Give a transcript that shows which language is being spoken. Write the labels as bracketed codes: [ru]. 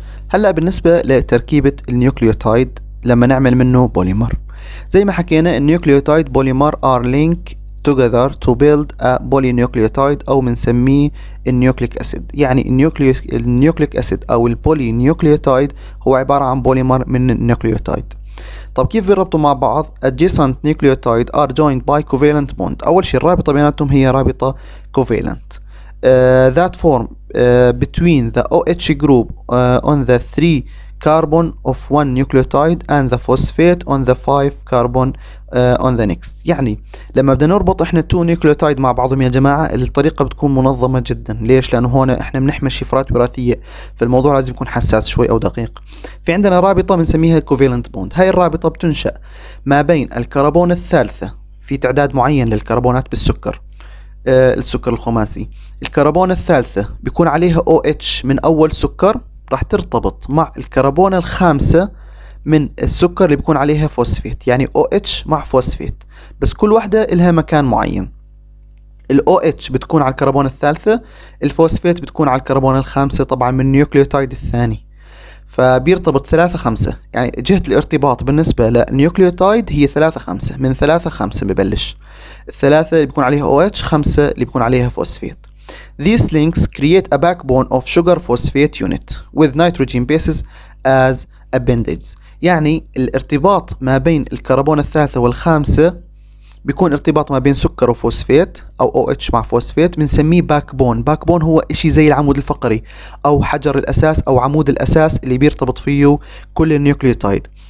[ar] هلأ بالنسبة لتركيبة النيوكليوتايد لما نعمل منه بوليمر، زي ما حكينا النيوكليوتايد بوليمر ار لينك [en] together to build a polynucleotide [ar] او بنسميه النيوكليك اسيد، يعني النيوكليك اسيد او البولينيوكليوتايد هو عبارة عن بوليمر من النيوكليوتايد. طب كيف بيربطوا مع بعض؟ [en] adjacent nucleotide are joined by covalent bond. [ar] اول شيء الرابطة بيناتهم هي رابطة [en] covalent that form between the OH group on the 3 carbon of one nucleotide and the phosphate on the 5 carbon on the next. [ar] يعني لما بدنا نربط احنا تو نيوكليوتايد مع بعضهم يا جماعة الطريقة بتكون منظمة جدا، ليش؟ لانه هون احنا بنحمل شفرات وراثية، فالموضوع لازم يكون حساس شوي او دقيق. في عندنا رابطة بنسميها كوفيلنت بوند، هاي الرابطة بتنشأ ما بين الكربون الثالثة، في تعداد معين للكربونات بالسكر السكر الخماسي، الكربون الثالثة بيكون عليها OH من اول سكر راح ترتبط مع الكربون الخامسة من السكر اللي بيكون عليها فوسفيت، يعني OH مع فوسفيت، بس كل واحدة لها مكان معين. الـ OH بتكون على الكربون الثالثة، الفوسفيت بتكون على الكربون الخامسة طبعا من النيوكليوتايد الثاني، فبيرتبط 3-5، يعني جهة الارتباط بالنسبة للنيوكليوتايد هي 3-5، من 3-5 ببلش، 3 اللي بيكون عليها OH، 5 اللي بيكون عليها فوسفيت. [en] These links create a backbone of sugar phosphate unit with nitrogen bases as appendages. [ar] يعني الارتباط ما بين الكربون الثالثة والخامسة بيكون ارتباط ما بين سكر وفوسفيت أو OH مع فوسفيت، بنسميه backbone. backbone هو إشي زي العمود الفقري أو حجر الأساس أو عمود الأساس اللي بيرتبط فيه كل النيوكليوتايد.